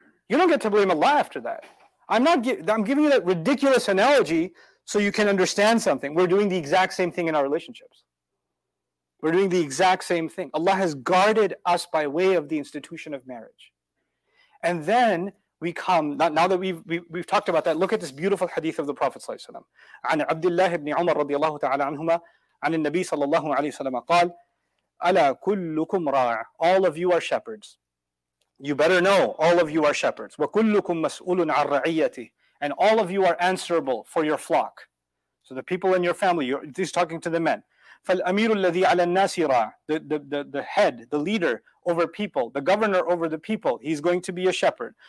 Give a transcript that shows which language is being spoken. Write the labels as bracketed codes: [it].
[en] You don't get to blame Allah after that. I'm giving you that ridiculous analogy so you can understand something. We're doing the exact same thing in our relationships. We're doing the exact same thing. Allah has guarded us by way of the institution of marriage. And then we come, now that we've talked about that, look at this beautiful hadith of the Prophet ﷺ. [ar] عن عبد الله بن عمر رضي الله تعالى عنهما عن النبي صلى الله عليه وسلم قال ألا كلكم راع. [en] All of you are shepherds. You better know, all of you are shepherds. [ar] وَكُلُّكُمْ مَسْؤُولٌ عَنْ رَعِيَّتِهِ. [en] And all of you are answerable for your flock. So the people in your family, he's talking to the men. [ar] فَالْأَمِيرُ الَّذِي عَلَى النَّاسِ رَاعٍ. [en] The head, the leader over people, the governor over the people, he's going to be a shepherd.